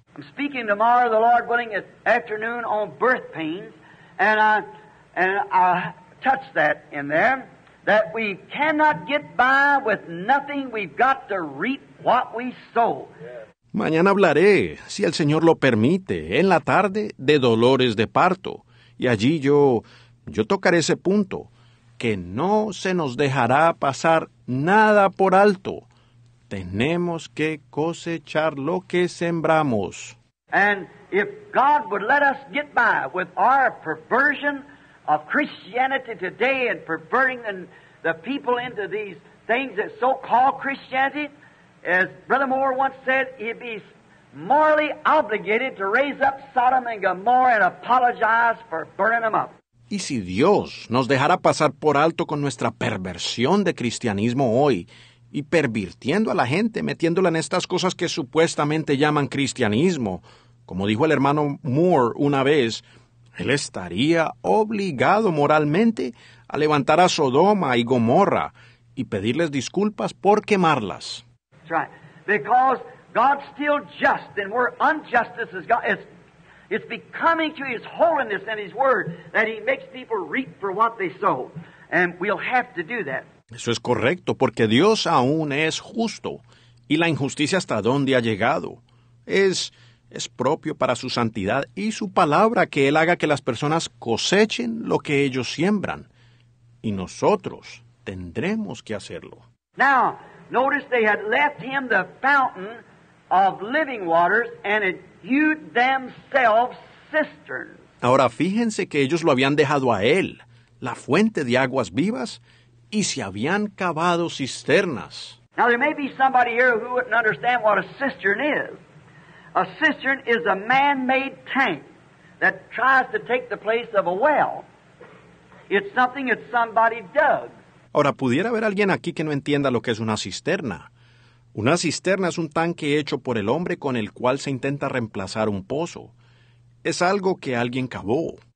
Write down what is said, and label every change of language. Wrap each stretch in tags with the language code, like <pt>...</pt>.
<en>I'm speaking tomorrow, the Lord willing, at afternoon on birth pains, and I touch that in there, that we cannot get by with nothing. We've got to reap what we sow.</en> <es>Mañana hablaré, si el Señor lo permite, en la tarde, de dolores de parto. Y allí yo tocaré ese punto, que no se nos dejará pasar nada por alto. Tenemos que cosechar lo que sembramos.</es> <en>And if God would let us get by with our perversion of Christianity today and perverting the people into these things that so-called Christianity, as Brother Moore once said, he'd be morally obligated to raise up Sodom and Gomorrah and apologize for burning them up.</en> <es>Y si Dios nos dejara pasar por alto con nuestra perversión de cristianismo hoy y pervirtiendo a la gente, metiéndola en estas cosas que supuestamente llaman cristianismo, como dijo el hermano Moore una vez, él estaría obligado moralmente a levantar a Sodoma y Gomorra y pedirles disculpas por quemarlas.</es> <en>That's right. Because God's still just and we're unjust as God. It's becoming to His holiness and His Word that He makes people reap for what they sow. And we'll have to do that.</en> <es>Eso es correcto, porque Dios aún es justo. Y la injusticia hasta donde ha llegado es propio para su santidad y su palabra que Él haga que las personas cosechen lo que ellos siembran. Y nosotros tendremos que hacerlo.</es> <en>Now, notice they had left him the fountain of living waters and had hewed themselves cisterns.</en> <es>Ahora, fíjense que ellos lo habían dejado a él, la fuente de aguas vivas, y se habían cavado cisternas.</es> <en>Now, there may be somebody here who wouldn't understand what a cistern is. A cistern is a man-made tank that tries to take the place of a well. It's something that somebody dug.</en> <es>Ahora, pudiera haber alguien aquí que no entienda lo que es una cisterna. Una cisterna es un tanque hecho por el hombre con el cual se intenta reemplazar un pozo. Es algo que alguien cavó.</es>